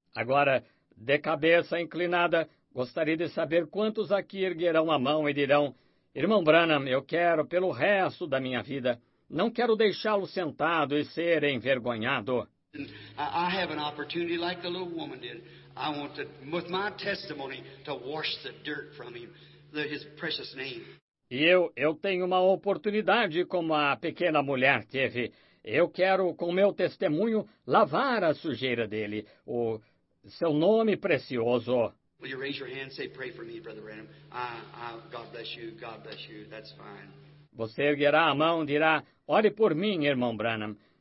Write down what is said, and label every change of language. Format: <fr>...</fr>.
<pt>Agora, de cabeça inclinada, gostaria de saber quantos aqui erguerão a mão e dirão, Irmão Branham, eu quero, pelo resto da minha vida, não quero deixá-lo sentado e ser envergonhado.</pt> <en>I have an opportunity like the little woman did. I want to, with my testimony, to wash the dirt from him, his precious name.</en> <pt>E eu tenho uma oportunidade como a pequena mulher teve. Eu quero, com meu testemunho, lavar a sujeira dele, o seu nome precioso.</pt> <en>Will you raise your hand and say, pray for me, Brother Branham? God bless you, God bless you, that's fine.</en> <pt>Você erguerá a mão e dirá, ore por mim, irmão Branham.</pt>